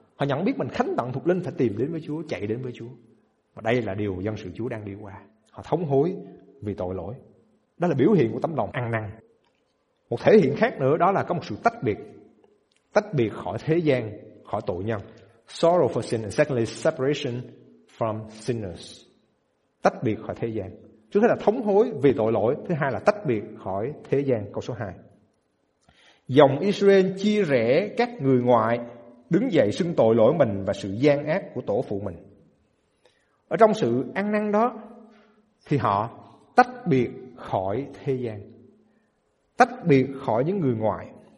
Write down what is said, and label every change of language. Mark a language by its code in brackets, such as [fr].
[vi] Họ nhận biết mình khánh tặng thuộc linh, phải tìm đến với Chúa, chạy đến với Chúa. Và đây là điều dân sự Chúa đang đi qua. Họ thống hối vì tội lỗi. Đó là biểu hiện của tấm lòng ăn năn. Một thể hiện khác nữa đó là có một sự tách biệt. Tách biệt khỏi thế gian, khỏi tội nhân. [en] Sorrow for sin, and secondly separation from sinners. [vi] Tách biệt khỏi thế gian. Trước hết là thống hối vì tội lỗi, thứ hai là tách biệt khỏi thế gian. Câu số 2. Dòng Israel chia rẽ các người ngoại, đứng dậy xưng tội lỗi mình và sự gian ác của tổ phụ mình. Ở trong sự ăn năn đó thì họ tách biệt khỏi thế gian, tách biệt khỏi những người ngoại.